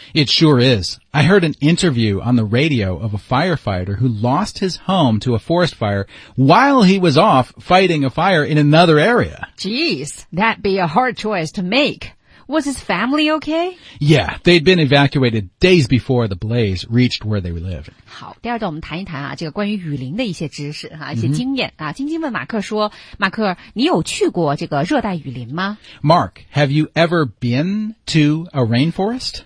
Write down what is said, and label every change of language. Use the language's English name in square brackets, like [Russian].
[English] It sure is. I heard an interview on the radio of a firefighter who lost his home to a forest fire while he was off fighting a fire in another area. Jeez, that'd be a hard choice to make. Was his family okay? Yeah, they'd been evacuated days before the blaze reached where they lived. [Chinese] 好，第二段我们谈一谈啊，这个关于雨林的一些知识哈、啊，一些经验、mm-hmm. 啊。晶晶问马克说：“马克，你有去过这个热带雨林吗 [English] ？”Mark, have you ever been to a rainforest?